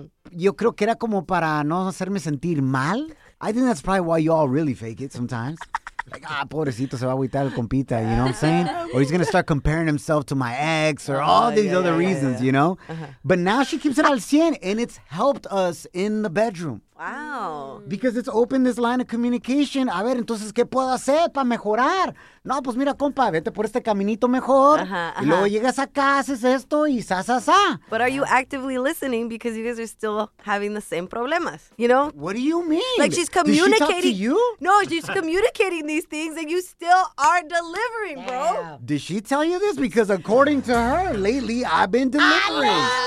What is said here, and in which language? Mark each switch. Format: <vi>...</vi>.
<es>Yo creo que era como para no hacerme sentir mal.</es> <en>I think that's probably why you all really fake it sometimes. Like,</en> <es>ah, pobrecito, se va a agüitar el compita,</es> <en>you know what I'm saying? Or he's going to start comparing himself to my ex or all these other reasons, you know? But now she keeps it al 100 and it's helped us in the bedroom. Wow. Because it's opened this line of communication.</en> <es>A ver, entonces, ¿qué puedo hacer para mejorar? No, pues mira, compa, vete por este caminito mejor. Y luego llegas acá, haces esto y sa, sa, sa.</es> <en>But are you actively listening because you guys are still having the same problemas, you know? What do you mean? Like she's communicating. Did she talk to you? No, she's communicating these things and you still are delivering, bro. Yeah. Did she tell you this? Because according to her, lately I've been delivering.</en>